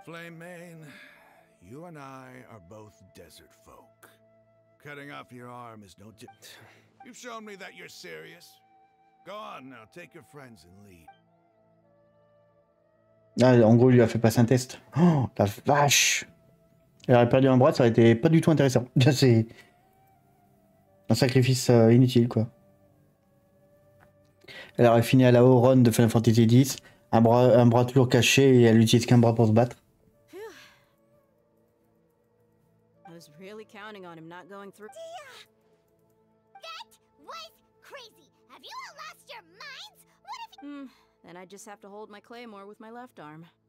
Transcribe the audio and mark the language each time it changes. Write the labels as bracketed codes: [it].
[en] Flame Mane, you and I are both desert folk. Cutting off your arm is no different. You've shown me that you're serious. Go on now, take your friends and leave. [fr] Ah, en gros, il lui a fait passer un test. Oh, la vache! Elle aurait perdu un bras, ça aurait été pas du tout intéressant. C'est un sacrifice inutile, quoi. Elle aurait fini à la haut-run de Final Fantasy X, un bras toujours caché et elle n'utilise qu'un bras pour se battre. [en] I was really counting on him not going through. That was crazy. Have you all lost your minds? What if then I just have to hold my claymore with my left arm.